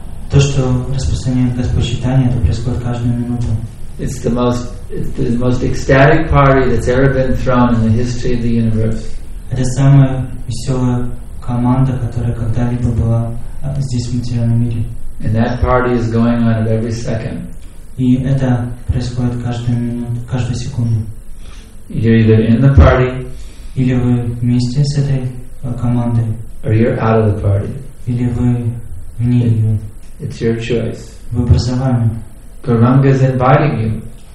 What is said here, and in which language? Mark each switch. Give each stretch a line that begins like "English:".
Russian: То, что распространяет Господь Читание, это происходит каждую минуту.
English: It's the most, it's the most ecstatic party that's ever been thrown in the history of the universe.
Russian: Это самая веселая команда, которая когда-либо была здесь, в материальном мире.
English: And that party is going on at every second.
Russian: И это происходит каждую минуту, каждую секунду.
English: You're either in the party,
Russian: или вы вместе с этой командой,
English: or you're out of the party.
Russian: Или вы вне ее.
English: It's your choice.
Russian: Выбор за вами.
English: Gauranga is inviting you.